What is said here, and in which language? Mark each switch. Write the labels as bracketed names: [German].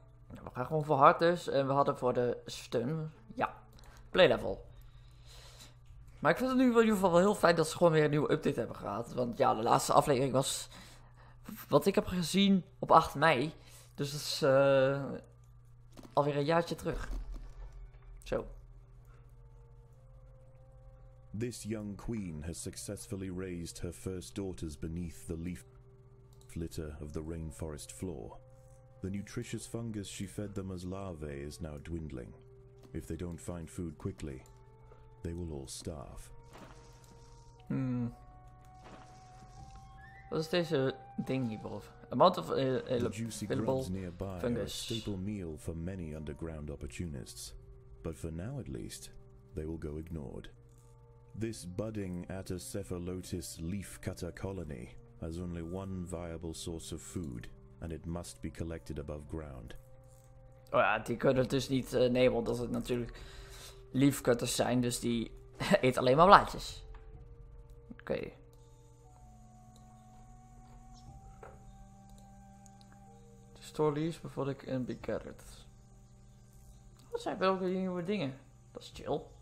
[Dutch] We gaan gewoon voor hard dus. En we hadden voor de stun. Ja. Play level. Maar ik vind het nu in ieder geval wel heel fijn dat ze gewoon weer een nieuwe update hebben gehad. Want de laatste aflevering was... Wat ik heb gezien op 8 mei. Dus dat is alweer een jaartje terug. Zo. [English] This young queen has successfully raised her first daughters beneath the leaf. litter of the rainforest floor. The nutritious fungus she fed them as larvae is now dwindling. If they don't find food quickly, they will all starve. [Dutch] Wat is deze ding hierboven? [English] Amount of edible fungus. A staple meal for many underground opportunists. But for now at least, they will go ignored. This budding Atacephalotis leafcutter colony has only one viable source of food, and it must be collected above ground. [Dutch] Oh ja, die kunnen dus niet nemen, omdat het natuurlijk leafcutters zijn, dus die eet alleen maar blaadjes. Oké. Okay. [English] Store leaves before I can be gathered. [Dutch] Dat zijn wel weer nieuwe dingen. Dat is chill.